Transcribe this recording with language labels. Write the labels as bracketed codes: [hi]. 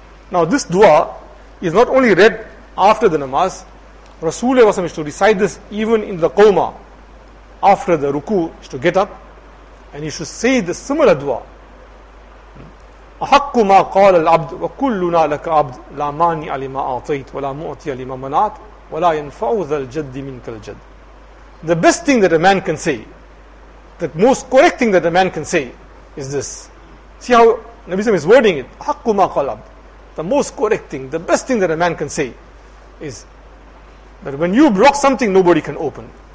[en] Now this dua is not only read after the namaz. Rasulullah used to recite this even in the qawma, after the ruku, used to get up, and he should say the similar dua. [ar] أحق ما قال العبد وكلنا لك عبد لا مانع لما أعطيت ولا معطي لما منعت ولا ينفع ذا الجد منك الجد. [en] The best thing that a man can say, the most correct thing that a man can say is this. See how Nabi Sallam is wording it. [ar] أحق ما قال العبد. [en] The most correct thing, the best thing that a man can say is that when you block something, nobody can open.